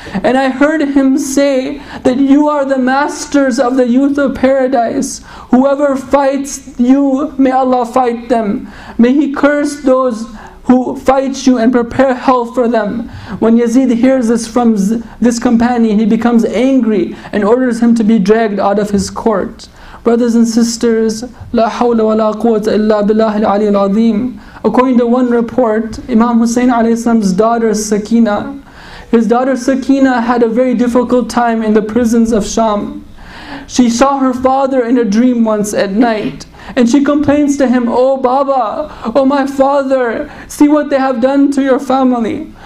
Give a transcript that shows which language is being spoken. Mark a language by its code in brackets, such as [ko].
[en] And I heard him say that you are the masters of the youth of paradise. Whoever fights you, may Allah fight them. May He curse those who fight you and prepare hell for them. When Yazid hears this from this companion, he becomes angry and orders him to be dragged out of his court. Brothers and sisters, [ar] لا حول ولا قوة إلا بالله العلي العظيم. [en] According to one report, Imam Hussein ﷺ's daughter Sakina, his daughter Sakina had a very difficult time in the prisons of Sham. She saw her father in a dream once at night. And she complains to him, Oh Baba, oh my father, see what they have done to your family.